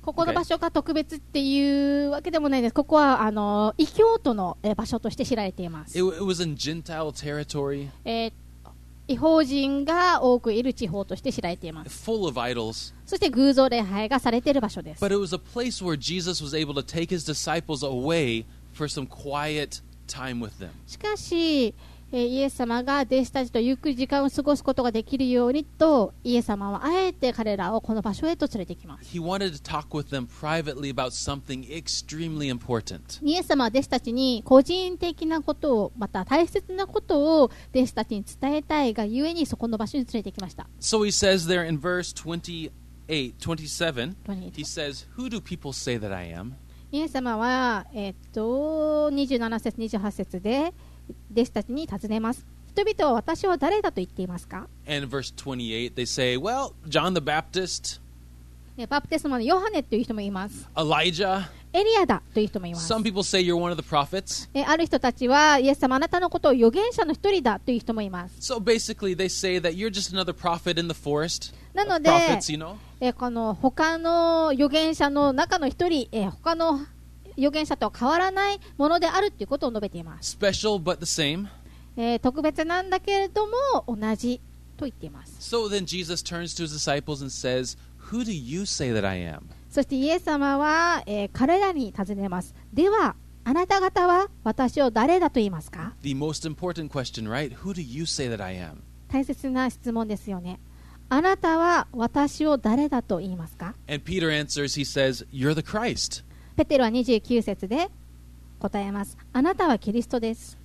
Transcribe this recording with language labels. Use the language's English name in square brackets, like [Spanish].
[Japanese] ここの場所が特別っていうわけでもないです。ここはあの異教徒の場所として知られています。 [English] It was in Gentile territory. [Japanese] 異邦人が多くいる地方として知られています。 [English] Full of idols. [Japanese] そして偶像礼拝がされている場所です。 [English] But it was a place where Jesus was able to take his disciples away for some quiet time with them. [Japanese] しかし。イエス様が弟子たちとゆっくり時間を過ごすことができるようにとイエス様はあえて彼らをこの場所へと連れてきます。 [English] He wanted to talk with them privately about something extremely important. [Japanese] イエス様は弟子たちに個人的なことをまた大切なことを弟子たちに伝えたいがゆえにそこの場所に連れてきました。 [English] So he says there in verse 28, 27, he says, Who do people say that I am? [Japanese] イエス様は27節、28節で弟子たちに尋ねます。人々は私は誰だと言っていますか？ [English] And verse 28, they say, well, John the Baptist. [Japanese] バプテスマのヨハネという人もいます。 [English] Elijah. [Japanese] エリアだという人もいます。 [English] Some people say you're one of the prophets. [Japanese] ある人たちは、イエス様あなたのことを預言者の一人だという人もいます。 [English] So basically, they say that you're just another prophet in the forest. [Japanese] なので、 [English] prophets, you know? [Japanese] この他の預言者の中の一人、他の預言者とは変わらないものであるということを述べています。 [English] Special but the same. [Japanese] 特別なんだけれども同じと言っています。 [English] So then Jesus turns to his disciples and says, Who do you say that I am? [Japanese] そしてイエス様は、彼らに尋ねます。では、あなた方は私を誰だと言いますか? [English] The most important question, right? Who do you say that I am? [Japanese] 大切な質問ですよね。あなたは私を誰だと言いますか? [English] And Peter answers, he says, You're the Christ. [Japanese] ペテロは29節で答えます。あなたはキリストです。